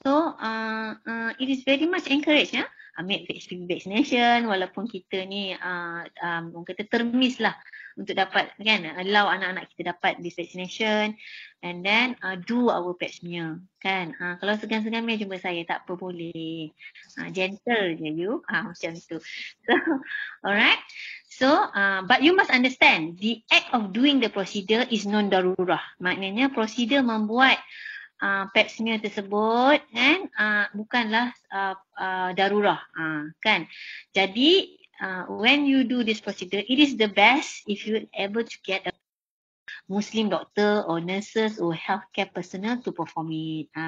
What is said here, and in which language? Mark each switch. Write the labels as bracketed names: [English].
[English] So it is very much encouraged ya. Ambil HPV vaccination [Malay] walaupun kita ni orang kata termis lah untuk dapat kan, [English] allow [Malay] anak-anak kita dapat [English] this vaccination and then do our pap smear kan. [Malay] Kalau segan-segan mai jumpa saya tak apa boleh. Gentle je you macam tu. [English] So alright. So but you must understand the act of doing the procedure is non darurah. [Malay] Maknanya procedure membuat pap smear tersebut kan bukanlah darurah kan. [English] Jadi when you do this procedure, it is the best if you able to get a Muslim doctor or nurses or healthcare personnel to perform it.